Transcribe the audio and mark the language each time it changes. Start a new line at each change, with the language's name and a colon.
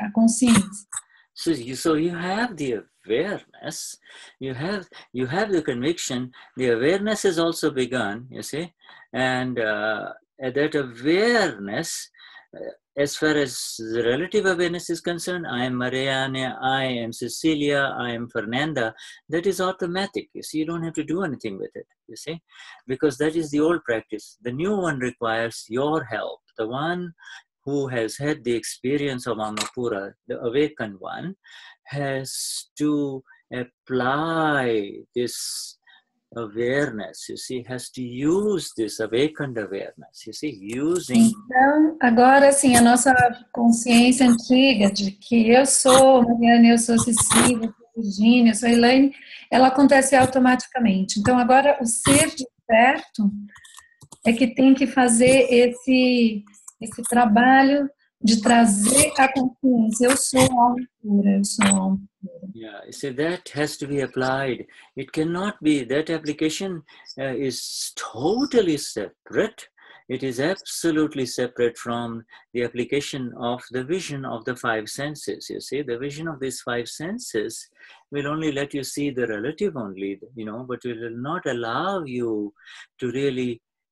Portuguese: A consciência.
English: So you have the awareness, you have the conviction, the awareness has also begun, you see? And that awareness, as far as the relative awareness is concerned, I am Mariana, I am Cecilia, I am Fernanda, that is automatic, you see? You don't have to do anything with it, you see? Because that is the old practice. The new one requires your help. The one who has had the experience of Amapura, the awakened one, has to apply this awareness, you see, has to use this awakened awareness, you see, using...
Portuguese: Então, agora sim, a nossa consciência antiga de que eu sou Mariana, eu sou Cecília, eu sou Virginia, eu sou Elaine, ela acontece automaticamente. Então, agora, o ser de perto é que tem que fazer esse trabalho de trazer a consciência, eu sou a alma pura, eu sou a alma pura.
English: Yeah, you see, that has to be applied. It cannot be, that application is totally separate. It is absolutely separate from the application of the vision of the 5 senses. You see, the vision of these 5 senses will only let you see the relative only, you know, but it will not allow you to really...